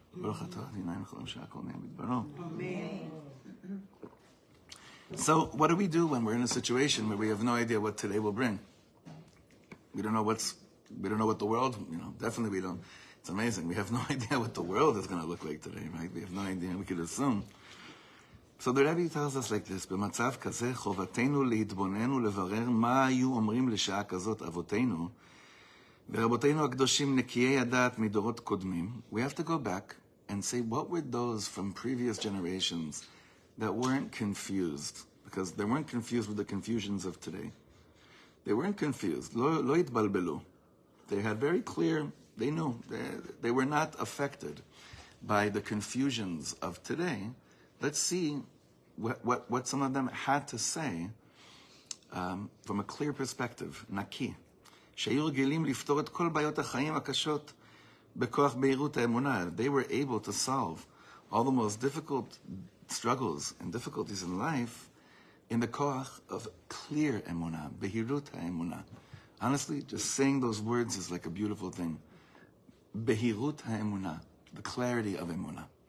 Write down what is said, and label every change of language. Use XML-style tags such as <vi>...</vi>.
<en>Mm-hmm. So what do we do when we're in a situation where we have no idea what today will bring? We don't know what's, we don't know what the world, you know, definitely we don't. It's amazing. We have no idea what the world is going to look like today, right? We have no idea. We could assume. So the Rebbe tells us like this,</en> <he>במצב כזה חובתנו להתבונן ולברר מה היו אומרים לשעה כזאת אבותינו ורבותינו הקדושים נקיי הדעת מדורות קודמים.</he> <en>We have to go back and say, what were those from previous generations that weren't confused? Because they weren't confused with the confusions of today. They weren't confused.</en> <he>לא התבלבלו.</he> <en>They had very clear, they knew. They were not affected by the confusions of today. Let's see what some of them had to say from a clear perspective. Naki.</en> <he>שהיו רגילים לפתור את כל בעיות החיים הקשות בכוח בהירות האמונה.</he> <en>They were able to solve all the most difficult struggles and difficulties in life in the koach of clear emuna, behirut ha-emuna. Honestly, just saying those words is like a beautiful thing. Behirut ha-emuna, the clarity of emuna.</en>